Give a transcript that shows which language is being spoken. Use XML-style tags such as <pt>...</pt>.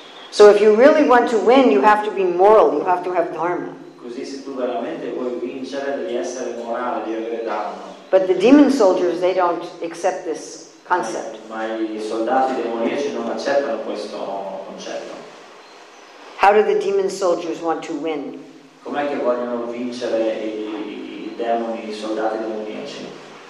<en>So if you really want to win, you have to be moral, you have to have dharma.</en> <it>Così se tu veramente vuoi vincere, devi essere morale, devi avere dharma.</it> <en>But the demon soldiers, they don't accept this concept.</en> <it>Ma i soldati demoniaci non accettano questo concetto.</it> <en>How do the demon soldiers want to win?</en> <it>Com'è che vogliono vincere i demoni, i soldati demoniaci?</it>